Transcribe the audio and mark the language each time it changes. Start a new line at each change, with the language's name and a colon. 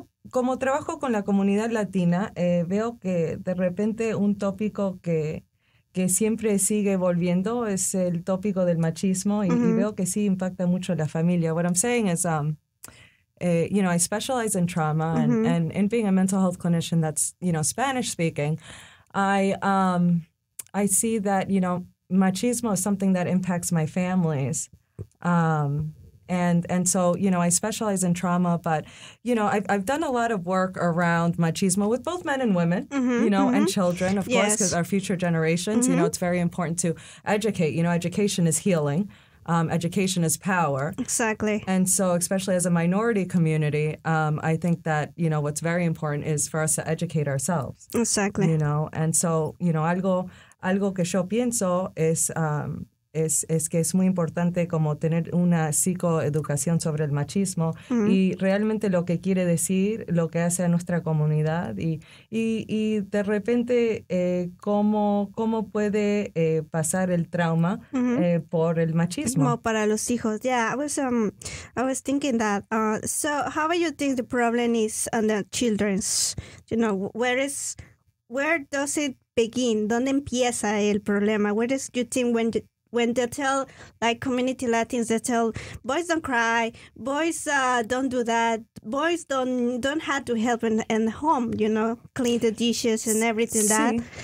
Spanish: Como trabajo con la comunidad latina, veo que de repente un tópico que siempre sigue volviendo es el tópico del machismo y veo que sí impacta mucho la familia.
English: What I'm saying is, I specialize in trauma and in being a mental health clinician that's, you know, Spanish speaking, I see that, you know, machismo is something that impacts my families. And so, you know, I specialize in trauma, but, you know, I've done a lot of work around machismo with both men and women, and children, of course, because our future generations, you know, it's very important to educate. You know, education is healing. Education is power. Exactly. And so, especially as a minority community, I think that, you know, what's very important is for us to educate ourselves. Exactly. You know, and so, you know,
Spanish: algo que yo pienso es... Es que es muy importante como tener una psicoeducación sobre el machismo y realmente lo que quiere decir, lo que hace a nuestra comunidad y de repente cómo puede pasar el trauma por el machismo. Como para los hijos.
English: Yeah, I was thinking that. So how do you think the problem is on the children's? You know, where does it begin?
Spanish: ¿Dónde empieza el problema?
English: Where do you think when they tell, like community Latins, they tell boys don't cry, boys don't do that, boys don't have to help in home, you know, clean the dishes and everything that.